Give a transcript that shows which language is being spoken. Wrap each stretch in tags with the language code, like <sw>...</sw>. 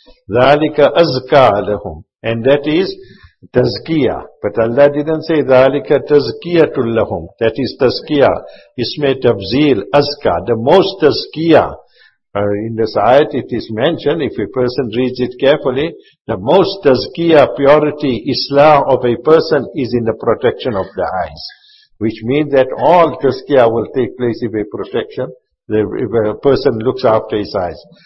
<ar>ذَلِكَ أَزْكَى لَهُمْ,</ar> <en>and that is</en> <ar>تَزْكِيَةٌ.</ar> <en>But Allah didn't say</en> <ar>ذَلِكَ تَزْكِيَةٌ لَهُمْ,</ar> <en>that is تَزْكِيَةٌ.</en> <ar>اسمِ تَفْزِيل أَزْكَى,</ar> <en>the most</en> <ar>تَزْكِيَةٌ.</ar> <en>In this ayat it is mentioned, if a person reads it carefully, the most تَزْكِيَةٌ, purity, islah of a person is in the protection of the eyes. Which means that all تَزْكِيَةٌ will take place if a protection, if a person looks after his eyes.</en>